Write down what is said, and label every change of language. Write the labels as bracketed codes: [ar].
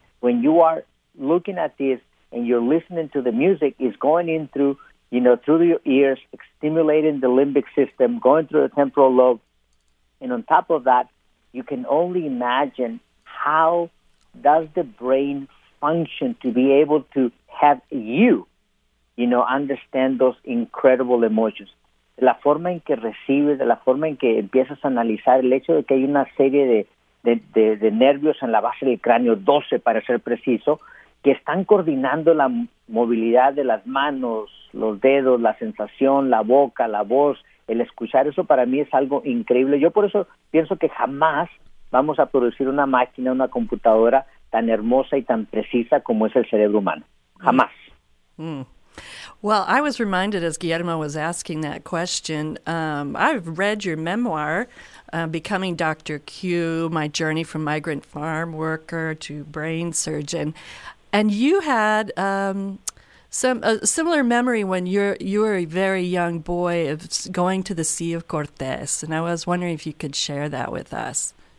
[en] When you are looking at this and you're listening to the music, it's going in through, you know, through your ears, stimulating the limbic system, going through the temporal lobe. And on top of that, you can only imagine how does the brain function to be able to have you, you know, understand those incredible emotions. [es] La forma en que recibes, de la forma en que empiezas a analizar el hecho de que hay una serie de nervios en la base del cráneo, 12 para ser preciso, que están coordinando la movilidad de las manos, los dedos, la sensación, la boca, la voz, el escuchar. Eso para mí es algo increíble. Yo por eso pienso que jamás vamos a producir una máquina, una computadora tan hermosa y tan precisa como es el cerebro humano. Jamás. Mm. [en] Well, I was reminded as Guillermo was asking that question, I've read your memoir, Becoming Dr. Q, My Journey from Migrant Farm Worker to Brain Surgeon, and you had a similar memory when you were a very young boy of going to the Sea of Cortez, and I was wondering if you could share that with us.